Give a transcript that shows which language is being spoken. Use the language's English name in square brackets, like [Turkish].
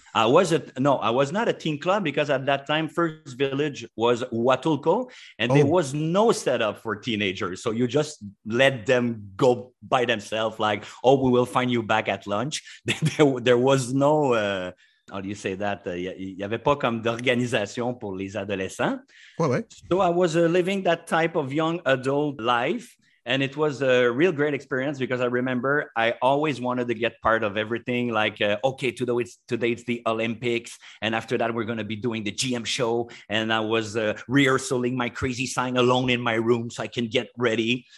[English] I was not a teen club because at that time, First Village was Huatulco, and there was no setup for teenagers. So you just let them go by themselves, like, oh, we will find you back at lunch. There was no, how do you say that? [French] Y avait pas comme d'organisation pour les adolescents. [English] So I was living that type of young adult life. And it was a real great experience because I remember I always wanted to get part of everything. Like, okay, today it's the Olympics. And after that, we're going to be doing the GM show. And I was rehearsing my crazy sign alone in my room so I can get ready.